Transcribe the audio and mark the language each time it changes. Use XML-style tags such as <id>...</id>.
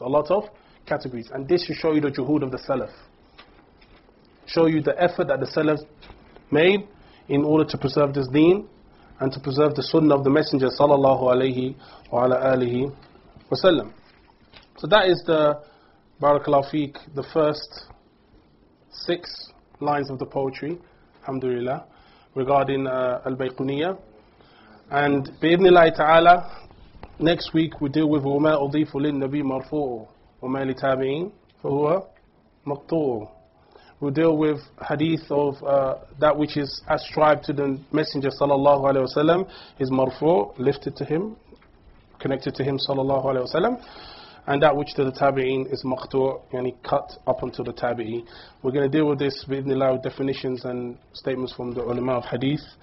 <en>A lot of categories. And this should show you the juhud of the Salaf. Show you the effort that the Salaf made in order to preserve this deen and to preserve the sunnah of the Messenger sallallahu alayhi wa ala alihi wa sallam. So that is the barakallahu fiqh, the first six lines of the poetry, alhamdulillah, regarding al-Bayquniyah. And</en> <ar>بإذن الله تعالى</ar> <en>next week we deal with</en> <ar>وما أضيف للنبي مرفوع وما لتابعين فهو مقطوع.</ar> <en>We deal with hadith of that which is ascribed to the Messenger صلى الله عليه وسلم is مرفوع, lifted to him, connected to him صلى الله عليه وسلم, and that which to the تابعين is مقطوع, يعني cut up until the تابعين. We're going to deal with this بإذن الله with definitions and statements from the ulama of hadith.</en>